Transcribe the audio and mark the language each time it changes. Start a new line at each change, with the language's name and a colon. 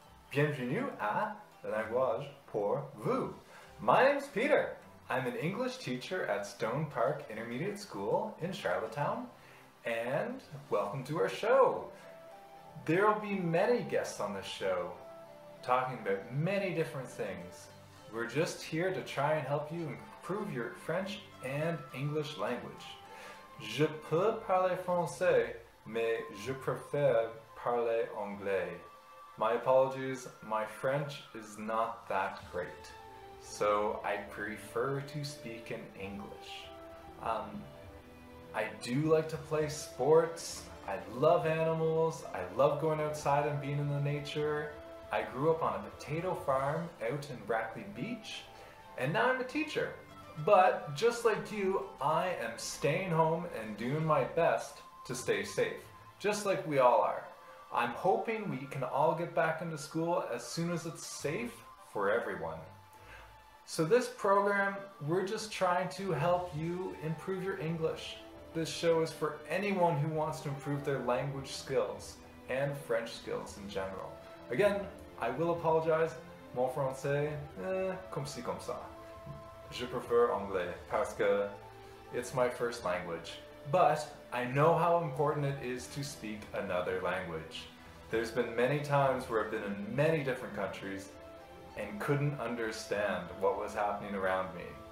French: Bienvenue à Language pour Vous.
English: My name's Peter. I'm an English teacher at Stone Park Intermediate School in Charlottetown, and welcome to our show. There'll be many guests on this show talking about many different things. We're just here to try and help you improve your French and English language.
French: Je peux parler français, mais je préfère parler anglais.
English: My apologies, my French is not that great, so I prefer to speak in English. I do like to play sports, I love animals, I love going outside and being in the nature. I grew up on a potato farm out in Brackley Beach, and now I'm a teacher. But just like you, I am staying home and doing my best to stay safe, just like we all are. I'm hoping we can all get back into school as soon as it's safe for everyone. So this program, we're just trying to help you improve your English. This show is for anyone who wants to improve their language skills and French skills in general. Again, I will apologize.
French: Mon français, comme ci, comme ça. Je prefer anglais parce que
English: it's my first language, but I know how important it is to speak another language. There's been many times where I've been in many different countries and couldn't understand what was happening around me.